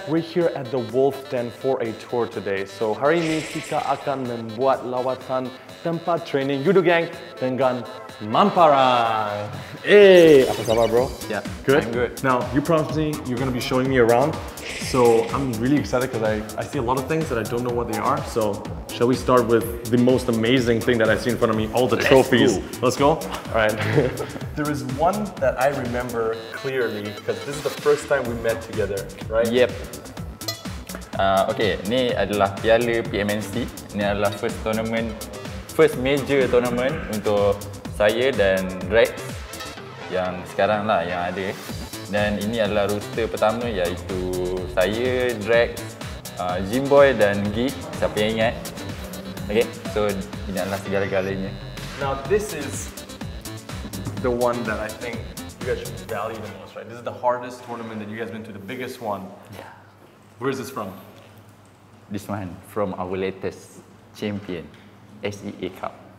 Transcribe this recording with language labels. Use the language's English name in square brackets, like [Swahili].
[English] We're here at the Wolf Den for a tour today. [Malay] So hari ini kita akan membuat lawatan tempat training Yoodo Gank dengan Mamparan. Hey, apa kabar bro? [English] Yeah, good. I'm good. Now you promised me you're gonna be showing me around, so I'm really excited because I see a lot of things that I don't know what they are. So shall we start with the most amazing thing that I see in front of me? All the trophies. Let's go. All right. There is one that I remember clearly because this is the first time we met together, right? Yep. Okay. [Malay] Ini adalah Piala PMNC. Ini adalah [English] first tournament, first major tournament [Malay] untuk saya dan Rex yang sekarang lah yang ada. Dan ini adalah roster pertama iaitu saya, Drag, Jimboy dan Gi, siapa yang ingat. [English] Okay, so [Malay] ini adalah segala-galanya. [English] Now this is the one that I think you guys should value the most, right? This is the hardest tournament that you guys been to, the biggest one. Yeah. Where is this from? This one, from our latest champion, SEA Cup.